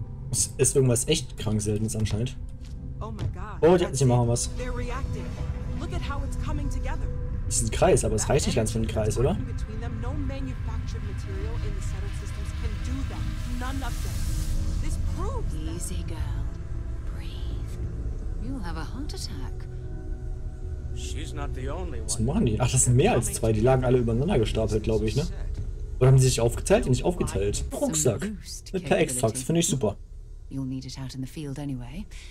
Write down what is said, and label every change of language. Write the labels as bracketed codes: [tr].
[de] Es ist irgendwas echt krank seltenes anscheinend. Oh, ja, sie machen was. [en] Look at how it's coming together. [de] Das ist ein Kreis, aber es reicht nicht ganz für einen Kreis, oder? [en] No manufactured material in the settled systems can do that. None of them. This proves that. Easy, girl. Breathe. You'll have a heart attack. She's not the only one. [de] Was machen die? Ach, das sind mehr als zwei. Die lagen alle übereinander gestapelt, glaube ich, ne? Oder haben sie sich aufgeteilt? Nicht aufgeteilt. Rucksack. Mit ein paar Extracts. Finde ich super. [en] You'll need it out in the field anyway.